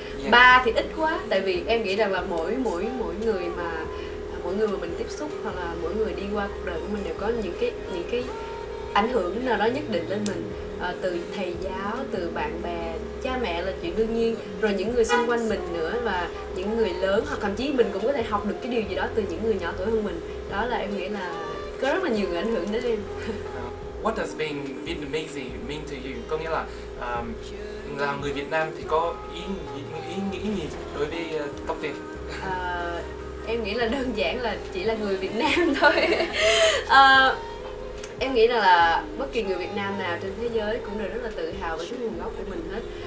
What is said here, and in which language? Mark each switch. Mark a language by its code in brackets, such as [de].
[vi] ba thì ít quá, tại vì em nghĩ rằng là mỗi người mà mình tiếp xúc hoặc là mỗi người đi qua cuộc đời của mình đều có những cái ảnh hưởng nào đó nhất định lên mình, từ thầy giáo, từ bạn bè, cha mẹ là chuyện đương nhiên, rồi những người xung quanh mình nữa, và những người lớn, hoặc thậm chí mình cũng có thể học được cái điều gì đó từ những người nhỏ tuổi hơn mình. Đó là em nghĩ là có rất là nhiều người ảnh hưởng đến em. [en] What does being Vietnamese mean to you? [vi] Có nghĩa là là người Việt Nam thì có ý nghĩ gì đối với Tóc Tiên? Em nghĩ là đơn giản là chỉ là người Việt Nam thôi. Em nghĩ là bất kỳ người Việt Nam nào trên thế giới cũng đều rất là tự hào về cái nguồn gốc của mình hết.